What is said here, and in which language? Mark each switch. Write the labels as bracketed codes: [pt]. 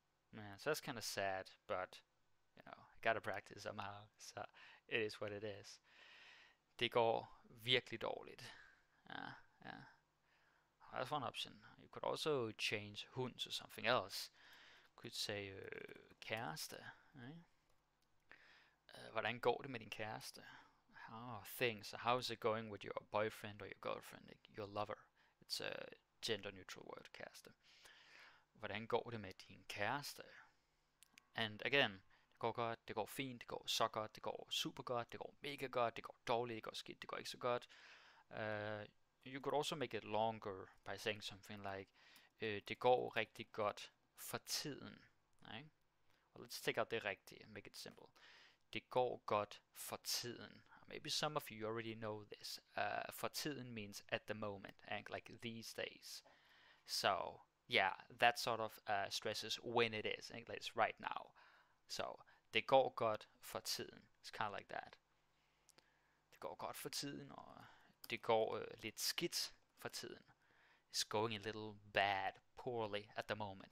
[en] Man, so that's kind of sad, but, I gotta practice somehow. So, it is what it is. [da] Det går virkelig dårligt. [en] Ja. That's one option. You could also change hund to something else. Could say kæreste, right? [da] Hvordan går det med din kæreste? [en] How things? So how's it going with your boyfriend or your girlfriend? Like your lover. It's a gender-neutral word, kæreste. [da] Hvordan går det med din kæreste? [en] And again, [da] det går godt, det går fint, det går så godt, det går super godt, det går mega godt, det går dårligt, det går skidt, det går ikke så godt. [en] You could also make it longer by saying something like, [da] det går rigtig godt for tiden. [en] Right? Well, let's take out [da] det rigtige [en] and make it simple. [da] Det går godt for tiden. [en] Maybe some of you already know this. For tiden means at the moment, and like these days. So, yeah, that sort of stresses when it is, and it's right now. So, [da] det går godt for tiden. [en] It's kind of like that. [da] Det går godt for tiden, og det går lidt skidt for tiden. [en] It's going a little bad, poorly at the moment.